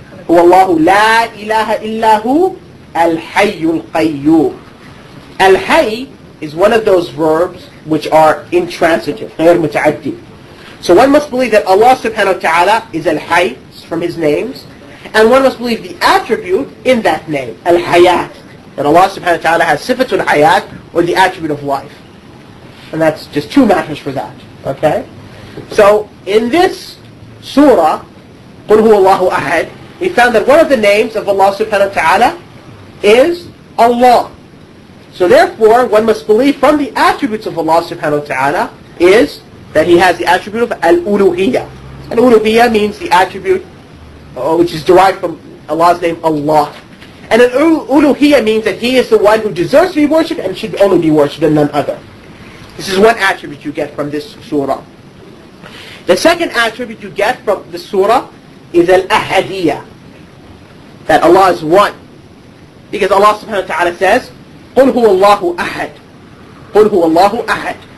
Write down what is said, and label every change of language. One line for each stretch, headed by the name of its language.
Arabic: هو الله لا إله إلا هو الحي القيوم.
English: Al-Hayy is one of those verbs which are intransitive, غير متعدي. So one must believe that Allah subhanahu wa ta'ala is Al-Hayy, from His names, and one must believe the attribute in that name, Al-Hayat, that Allah subhanahu wa ta'ala has sifatul hayat, or the attribute of life. And that's just two matters for that, okay? So in this surah,
Arabic: قُلْ هُوَ اللَّهُ أَحَدٍ,
English: we found that one of the names of Allah subhanahu wa ta'ala is Allah. So therefore, one must believe from the attributes of Allah subhanahu wa ta'ala is that He has the attribute of al-uluhiyyah. Al-uluhiyyah means the attribute which is derived from Allah's name, Allah. And al-uluhiyyah means that He is the one who deserves to be worshipped and should only be worshipped and none other. This is one attribute you get from this surah. The second attribute you get from the surah is al-ahadiyyah. That Allah is one. Because Allah subhanahu wa ta'ala says,
Arabic: قُلْ هُوَ اللَّهُ أَحَدٌ قُلْ هُوَ اللَّهُ أَحَدٌ.